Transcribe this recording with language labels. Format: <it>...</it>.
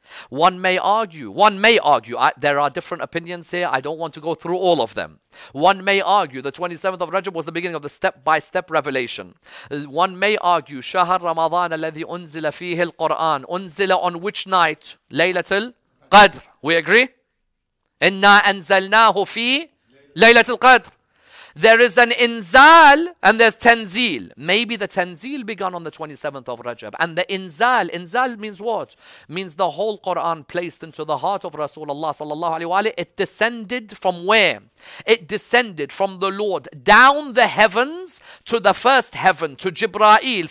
<en>One may argue, there are different opinions here, I don't want to go through all of them. One may argue the 27th of Rajab was the beginning of the step-by-step revelation. One may argue,</en> <ar>شهر رمضان الذي أنزل فيه القرآن, أنزل</ar> <en>on which night?</en> <ar>ليلة القدر.</ar> <en>We agree?</en> <ar>إِنَّا أَنزَلْنَاهُ فِي ليلة القدر.</ar> <en>There is an inzal and there's tanzil. Maybe the tanzil began on the 27th of Rajab. And the inzal, inzal means what? Means the whole Quran placed into the heart of Rasulullah</en> <ar>sallallahu alaihi wa alayhi.</ar> <en>It descended from where? It descended from the Lord down the heavens to the first heaven, to Jibra'il.</en>